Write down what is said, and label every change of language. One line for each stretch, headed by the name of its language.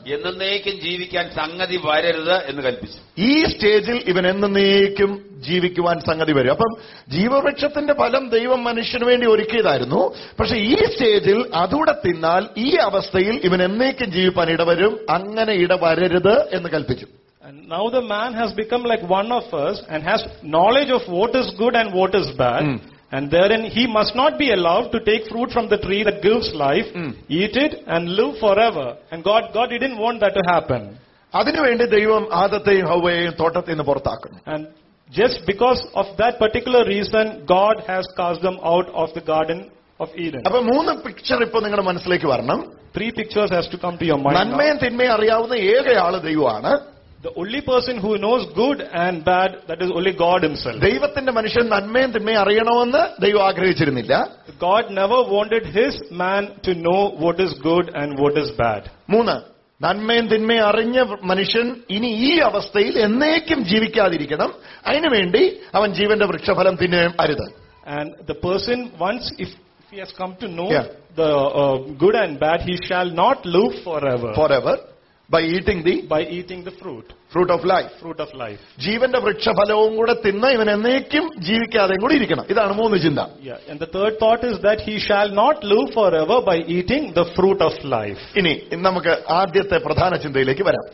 Malayalam: എന്നേക്കും ജീവിക്കാൻ സംഗതി വരരുത് എന്ന് കൽപ്പിച്ചു. ഈ സ്റ്റേജിൽ ഇവൻ എന്നേക്കും ജീവിക്കുവാൻ സംഗതി വരും. അപ്പം ജീവവൃക്ഷത്തിന്റെ ഫലം ദൈവം മനുഷ്യന് വേണ്ടി ഒരുക്കിയതായിരുന്നു. പക്ഷെ ഈ സ്റ്റേജിൽ അതുകൂടെ തിന്നാൽ ഈ അവസ്ഥയിൽ ഇവൻ എന്നേക്കും ജീവിക്കാൻ ഇടവരും, അങ്ങനെ ഇടവരരുത് എന്ന് കൽപ്പിച്ചു.
English: And now the man has become like one of us and has knowledge of what is good and what is bad. And therein he must not be allowed to take fruit from the tree that gives life, eat it and live forever. And God didn't want that to happen.
Malayalam: അതിനു വേണ്ടി ദൈവം ആദത്തെയും ഹവ്വയെയും തോട്ടത്തിൽ നിന്ന് പുറത്താക്കുന്നു.
English: And just because of that particular reason, God has cast them out of the garden of Eden.
Malayalam: അപ്പോൾ മൂന്ന് picture ഇപ്പോ നിങ്ങളുടെ മനസ്സിലേക്ക് വരണം.
English: Three pictures has to come to your mind.
Malayalam: നന്മയും തിന്മയും അറിയാവുന്ന ഏകയാള് ദൈവമാണ്.
English: The only person who knows good and bad, that is only God himself.
Malayalam: ദൈവത്തിന്റെ മനുഷ്യൻ നന്മയും തിന്മയും അറിയണമെന്നു ദൈവം ആഗ്രഹിച്ചിരുന്നില്ല.
English: God never wanted his man to know what is good and what is bad.
Malayalam: മൂന്ന്, നന്മയും തിന്മയും അറിഞ്ഞ മനുഷ്യൻ ഇനി ഈ അവസ്ഥയിൽ എന്നേക്കും ജീവിക്കാതിരിക്കണം. അതിനുവേണ്ടി അവൻ ജീവന്റെ വൃക്ഷഫലം തിന്നുകയും അരുത്.
English: And the person once if he has come to know the good and bad, he shall not live forever. Forever. By eating the fruit of life.
Malayalam: ജീവന്റെ വൃക്ഷഫലവും കൂടെ തിന്ന് ഇവൻ എന്നേക്കും ജീവിക്കാതെ കൂടി ഇരിക്കണം. ഇതാണ് മൂന്ന് ചിന്ത.
English: And the third thought is that he shall not live forever by eating the fruit of life.
Malayalam: ഇനി നമുക്ക് ആദ്യത്തെ പ്രധാന ചിന്തയിലേക്ക് വരാം.